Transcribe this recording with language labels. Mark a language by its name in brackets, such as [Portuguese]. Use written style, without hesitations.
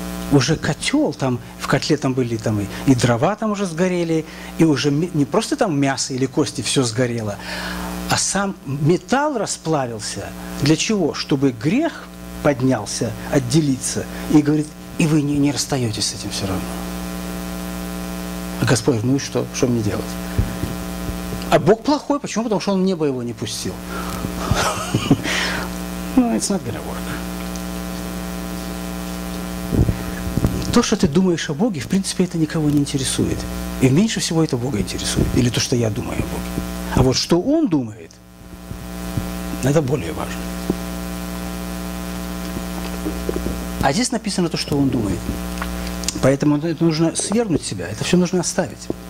[Russian] Уже котел там, в котле там были там и дрова там уже сгорели, и уже не просто там мясо или кости все сгорело, а сам металл расплавился. Для чего? Чтобы грех поднялся, отделиться. И говорит, и вы не расстаетесь с этим все равно. Господь, ну и что? Что мне делать? А Бог плохой. Почему? Потому что он небо его не пустил. [English] Ну, it's not gonna work. [Russian] То, что ты думаешь о Боге, в принципе, это никого не интересует. И меньше всего это Бога интересует. Или то, что я думаю о Боге. А вот что Он думает, это более важно. А здесь написано то, что Он думает. Поэтому это нужно свергнуть себя, это все нужно оставить.